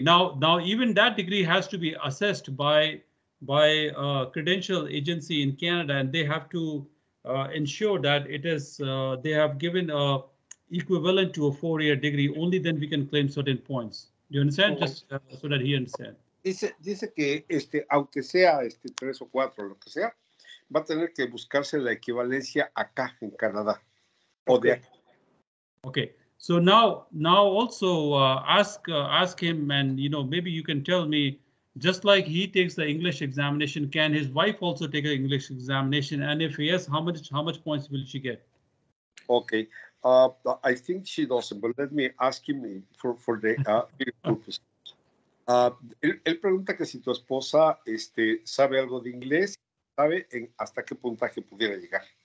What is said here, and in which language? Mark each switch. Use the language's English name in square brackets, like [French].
[English] Now, even that degree has to be assessed by a credential agency in Canada, and they have to ensure that it is they have given a equivalent to a 4-year degree. Only then we can claim certain points. Do you understand? Just so that he understand. [Spanish] Dice que este aunque sea este 3 o 4 lo que sea, va a tener que buscarse la equivalencia acá en Canadá o de acá. [English] Okay. So now also ask him, and you know, maybe you can tell me. Just like he takes the English examination, can his wife also take an English examination? And if yes, how much points will she get? Okay, I think she doesn't, but let me ask him for the purpose. [Spanish] él pregunta que si tu esposa sabe algo de inglés, sabe en hasta qué puntaje pudiera llegar.